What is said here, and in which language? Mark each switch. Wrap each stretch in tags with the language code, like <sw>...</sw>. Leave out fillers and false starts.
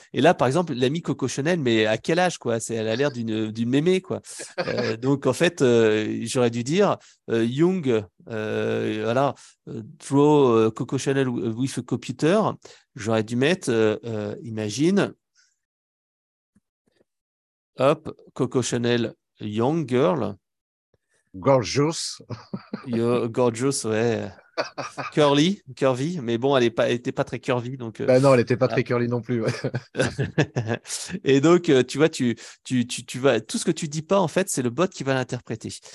<fr>Et là, par exemple, l'ami Coco Chanel, mais à quel âge quoi? Elle a l'air d'une mémé quoi. Donc en fait, j'aurais dû dire Young, voilà,</fr> <en>draw Coco Chanel with a computer.</en> <fr>J'aurais dû mettre, imagine.</fr> <en>Hop, Coco Chanel, young girl. Gorgeous. Gorgeous, ouais.</en> <fr>Curvy, mais bon, elle n'était pas très curvy. Donc, Ben non, elle n'était pas très curly non plus. Ouais. Et donc, tu vois, tu vas, tout ce que tu ne dis pas, en fait, c'est le bot qui va l'interpréter.</fr>